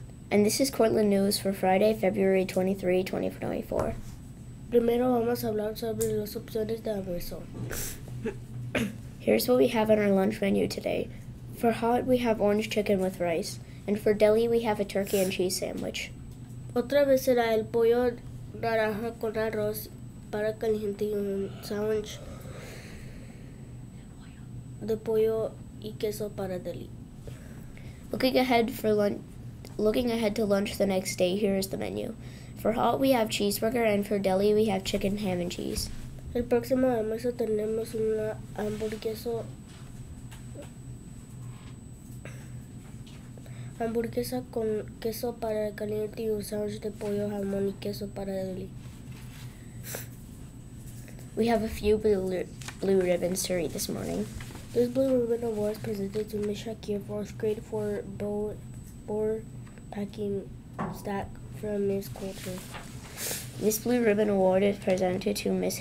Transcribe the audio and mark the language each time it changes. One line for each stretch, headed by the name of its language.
English: And this is Cortland News for Friday, February 23, 2024.
Spanish: Primero vamos a hablar sobre las opciones de almuerzo.
English: Here's what we have on our lunch menu today. For hot, we have orange chicken with rice. And for deli, we have a turkey and cheese sandwich.
Spanish: Otra vez será el pollo naranja con arroz para caliente y un sandwich. The pollo y queso para deli.
English: Looking ahead to lunch the next day, here is the menu. For hot, we have cheeseburger, and for deli, we have chicken, ham, and cheese.
Spanish: El próximo almuerzo tenemos una hamburguesa. Hamburguesa con queso para caliente y un sandwich de pollo, jamón y queso para deli.
English: We have a few blue ribbons to read this morning. This Blue Ribbon Award is presented to Ms. Shakir, 4th grade, for board packing stack from Ms. Coulter. This Blue Ribbon Award is presented to Ms.